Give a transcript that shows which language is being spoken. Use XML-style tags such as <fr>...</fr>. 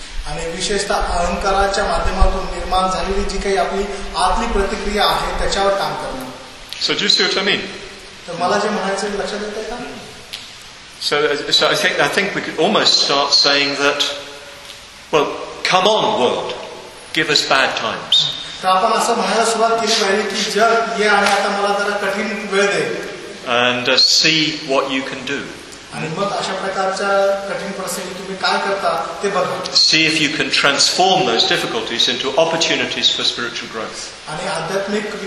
<mr>आणि विशेषतः अहंकाराच्या माध्यमातून निर्माण झालेली जी काही आपली आतली प्रतिक्रिया आहे त्याच्यावर काम करणं.</mr> <en>So do you see what I mean?</en> <mr>तर मला जे म्हणायचं लक्षात येतंय का?</mr> <en>So I think we could almost start saying that, well, come on world, give us bad times.</en> <mr>तर आपण असं म्हणायला सुरुवात केली पाहिजे की जग ये आणि आता मला जरा कठीण वेळ दे.</mr> <en>And see what you can do. See if you can transform those difficulties into opportunities for spiritual growth.</en>